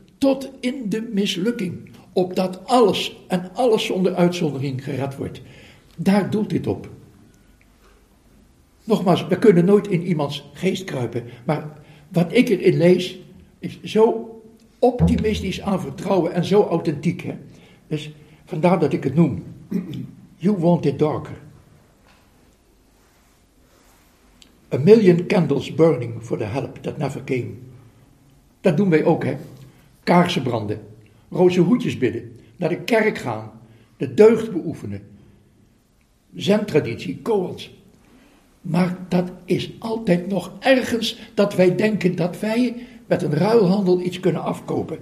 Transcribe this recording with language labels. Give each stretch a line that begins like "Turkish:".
Dutch: tot in de mislukking, opdat alles en alles zonder uitzondering gered wordt. Daar doelt dit op. Nogmaals, we kunnen nooit in iemands geest kruipen, maar wat ik erin lees, is zo optimistisch aan vertrouwen en zo authentiek. Hè? Dus vandaar dat ik het noem.
English: You want it darker. A million candles burning for the help that never came.
Dutch: Dat doen wij ook, hè. Kaarsen branden, roze hoedjes bidden, naar de kerk gaan, de deugd beoefenen. Zen-traditie, koans. Maar dat is altijd nog ergens dat wij denken dat wij met een ruilhandel iets kunnen afkopen.